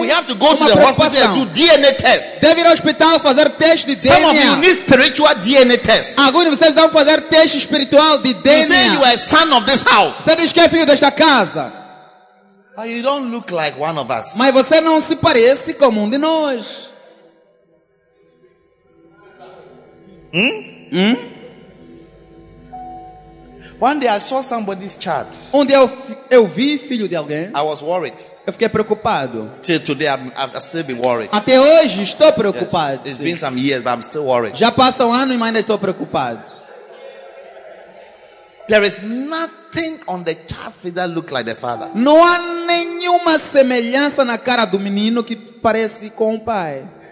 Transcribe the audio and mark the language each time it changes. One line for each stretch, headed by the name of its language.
English: We have to go to the hospital and do DNA test.
Portuguese: Deve ir ao hospital fazer teste de
English: Some
Portuguese: DNA.
English: Some of you need spiritual DNA test.
Portuguese: Alguns de vocês vão fazer teste espiritual de DNA.
English: You say you are a son of this house.
Portuguese: Você diz que é filho desta casa.
English: But you don't look like one of us.
Portuguese: Mas você não se parece com um de nós.
English: One day I saw somebody's chart.
Portuguese: Um dia eu vi filho de alguém.
English: I was worried.
Portuguese: Eu fiquei preocupado.
English: Till today I've still been worried.
Portuguese: Até hoje estou preocupado.
English: Yes, it's been some years, but I'm still worried.
Portuguese: Já passa um ano e ainda estou preocupado.
English: There is nothing on the chart that looks like the father.
Portuguese: Não há nenhuma semelhança na cara do menino que parece com o pai.